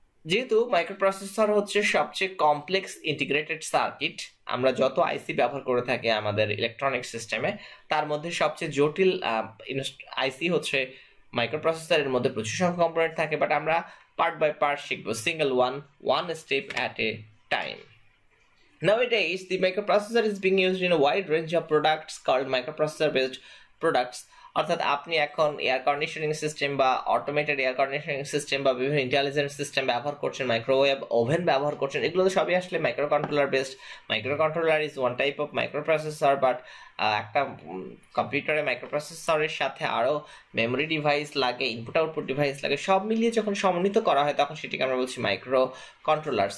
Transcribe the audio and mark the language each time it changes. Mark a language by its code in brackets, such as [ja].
[bn] যেহেতু মাইক্রোপ্রসেসর হচ্ছে সবচেয়ে কমপ্লেক্স ইন্টিগ্রেটেড সার্কিট, আমরা যত আইসি ব্যবহার করে থাকি আমাদের ইলেকট্রনিক সিস্টেমে, তার মধ্যে সবচেয়ে জটিল আইসি হচ্ছে মাইক্রোপ্রসেসর। এর মধ্যে প্রচুর সংখ্যক কম্পোনেন্ট থাকে, বাট আমরা পার্ট বাই পার্ট শিখবো [en] Single one one step at a time. Nowadays, the microprocessor is being used in a wide range of products called microprocessor-based products. [bn] অর্থাৎ আপনি এখন এয়ার কন্ডিশনিং সিস্টেম বা অটোমেটেড এয়ার কন্ডিশনিং সিস্টেম বা বিভিন্ন intelligent system ব্যবহার করছেন, microwave oven ব্যবহার করছেন, এগুলো তো সবই আসলে micro controller based. [en] microcontroller is one type of microprocessor, [bn] but একটা কম্পিউটারে মাইক্রো প্রসেসরের সাথে আরও মেমোরি ডিভাইস লাগে, ইনপুট আউটপুট ডিভাইস লাগে, সব মিলিয়ে যখন সমন্বিত করা হয় তখন সেটিকে আমরা বলছি মাইক্রো কন্ট্রোলার।